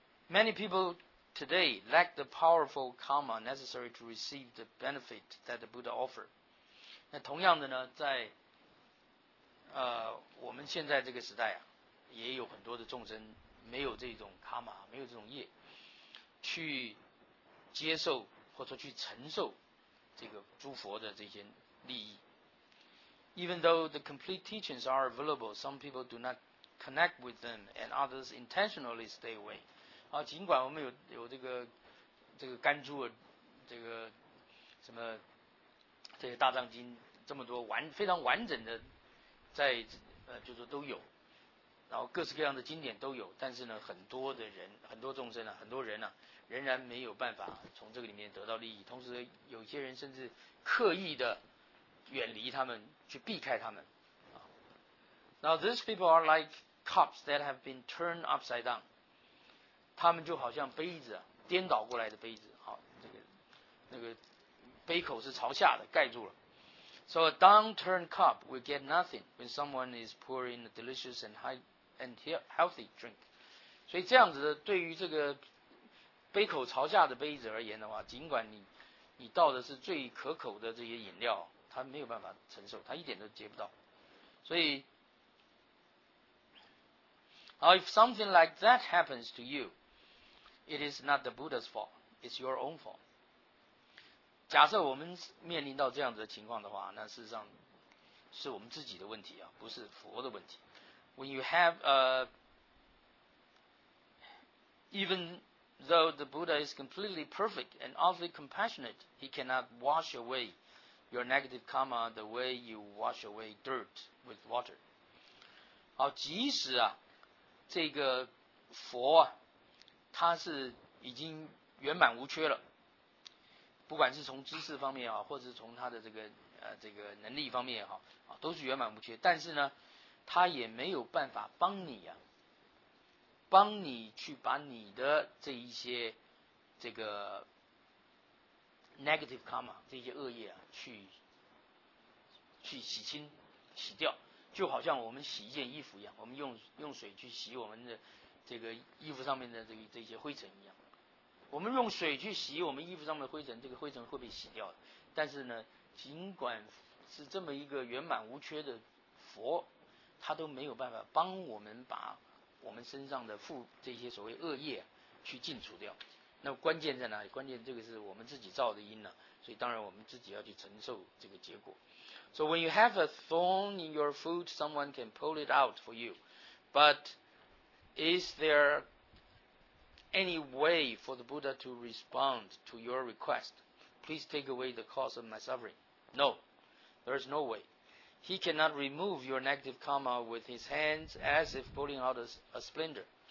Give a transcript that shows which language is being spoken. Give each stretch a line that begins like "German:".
English: Many people today lack the powerful karma necessary to receive the benefit that the Buddha offered.
Chinese: 那同样的呢，在我们现在这个时代啊，也有很多的众生没有这种karma，没有这种业，去接受或者去承受这个诸佛的这些利益。
English: Even though the complete teachings are available, some people do not connect with them, and others intentionally stay away.
Chinese: 啊，尽管我们有这个甘珠，这个什么这些大藏经这么多非常完整的在就是都有，然后各式各样的经典都有，但是呢，很多的人、很多众生啊、很多人啊，仍然没有办法从这个里面得到利益。同时，有些人甚至刻意的远离他们，去避开他们。
English: Now these people are like cups that have been turned upside down.
Chinese: 他们就好像杯子、啊，颠倒过来的杯子，好，那个杯口是朝下的，盖住了。
English: So a downturned cup will get nothing when someone is pouring a delicious and healthy drink.
Chinese: 所以这样子的，对于这个杯口朝下的杯子而言的话，尽管你倒的是最可口的这些饮料，他没有办法承受，他一点都接不到。所以
English: Now if something like that happens to you, it is not the Buddha's fault, it's your own fault.
Chinese: 假设我们面临到这样子的情况的话，那事实上是我们自己的问题啊，不是佛的问题。
English: When you have, even though the Buddha is completely perfect and awfully compassionate, he cannot wash away your negative karma the way you wash away dirt with water.
Chinese: 好，即使啊，这个佛啊，他是已经圆满无缺了。不管是从知识方面啊，或者是从他的这个能力方面也好啊，都是圆满无缺。但是呢，他也没有办法帮你啊，帮你去把你的这一些这个 negative karma 这些恶业啊，去洗清洗掉。就好像我们洗一件衣服一样，我们用水去洗我们的这个衣服上面的这些灰尘一样。我们用水去洗我们衣服上面的灰尘，这个灰尘会被洗掉的。但是呢，尽管是这么一个圆满无缺的佛，他都没有办法帮我们把我们身上的负这些所谓恶业去净除掉。那关键在哪里？关键这个是我们自己造的因呢、啊，所以当然我们自己要去承受这个结果。
English: So when you have a thorn in your foot, someone can pull it out for you, but is there? Any way for the Buddha to respond to your request, please take away the cause of my suffering. No, there is no way. He cannot remove your negative karma with his hands as if pulling out a splinter.